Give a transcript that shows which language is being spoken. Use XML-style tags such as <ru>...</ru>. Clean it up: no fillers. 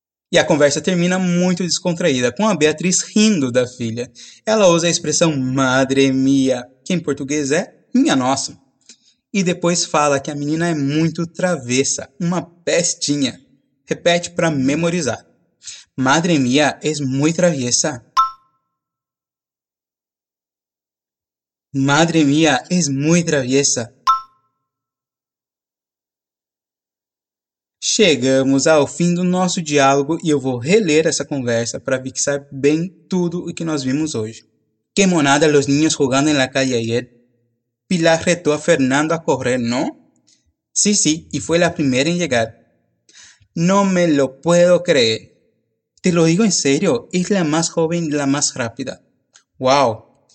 <pt>E a conversa termina muito descontraída, com a Beatriz rindo da filha. Ela usa a expressão madre mía, que em português é minha nossa. E depois fala que a menina é muito travessa, uma pestinha. Repete para memorizar.</pt> <es>Madre mía es muy traviesa. Madre mía es muy traviesa.</es> <pt>Chegamos ao fim do nosso diálogo e eu vou reler essa conversa para fixar bem tudo o que nós vimos hoje.</pt> <es>Qué monada los niños jugando en la calle ayer. Pilar retó a Fernando a correr, ¿no? Sí, sí, y fue la primera en llegar. No me lo puedo creer. Te lo digo en serio, es la más joven y la más rápida. ¡Wow!</es>